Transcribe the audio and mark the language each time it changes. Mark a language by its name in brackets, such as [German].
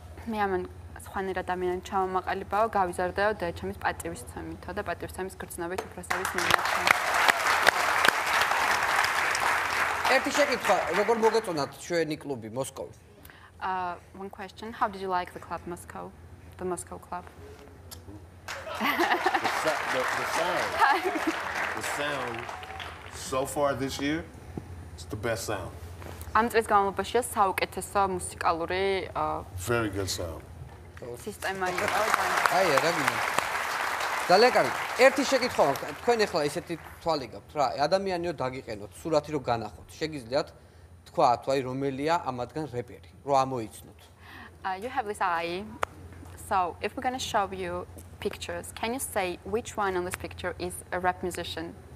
[Georgian] მე ამან სხვანაირ ადამიანად ჩამომაყალიბაო, გავიზარდაო და ჩემი პატივისცემითო და პატივისცემის გრძნობით უფროსების მიმართ. Ერთი შეკითხვა, როგორ მოგეწონათ ჩვენი კლუბი მოსკოვი? [English] One question, how did you like the club Moscow? The Moscow club. The sound so far this year, it's the best sound. [Georgian] Ამ წელს განმავლობაში საუკეთესო მუსიკალური [English] very good sound. [Georgian] სისტემა იყო. აი, რა გინდა. Ძალიან. ერთი შეკითხვა მაქვს. თქვენ ახლა ისეთი თვალი გაქვთ რა, ადამიანიო დაგიყენოთ, სურათი რომ განახოთ. შეგიძლიათ თქვა თუ აი რომელია ამადგან რეპერი, რომ ამოიცნოთ. [English] You have this eye. So, if we're going to show you pictures, can you say which one on this picture is a rap musician?